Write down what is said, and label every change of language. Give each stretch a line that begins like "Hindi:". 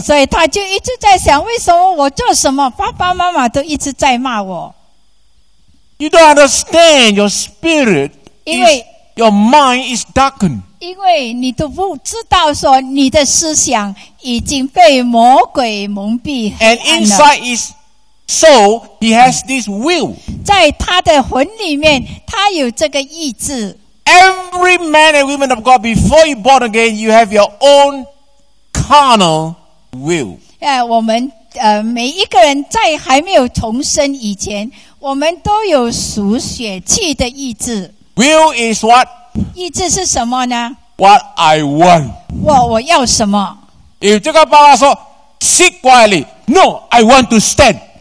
Chinese: 所以他就一直在想，为什么我做什么，爸爸妈妈都一直在骂我。
English: You don't understand your spirit. Your mind is darkened.
Chinese: 因为你都不知道说你的思想已经被魔鬼蒙蔽黑暗了。
English: And inside is soul, he has this will.
Chinese: 在他的魂里面他有这个意志。
English: Every man and woman of God, before you born again, you have your own carnal will.
Chinese: 我们每一个人在还没有重生以前，我们都有属血气的意志。
English: Will is what?
Chinese: 意志是什么呢
English: ?What I want.
Chinese: 我要什么
English: ?If
Chinese: 这个爸爸说
English: ,sit quietly, no, I want to stand.